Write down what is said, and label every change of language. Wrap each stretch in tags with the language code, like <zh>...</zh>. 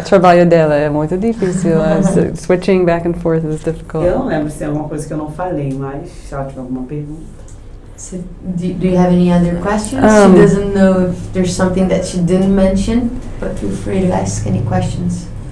<pt>O trabalho dela é muito difícil.</pt> <en>Switching back and forth is difficult.</en> <pt>Eu não lembro se é alguma coisa que eu não falei, mas se ela tiver alguma pergunta.</pt> <en>Do you have any other questions? She doesn't know if there's something that she didn't mention, but feel free to ask any questions.</en>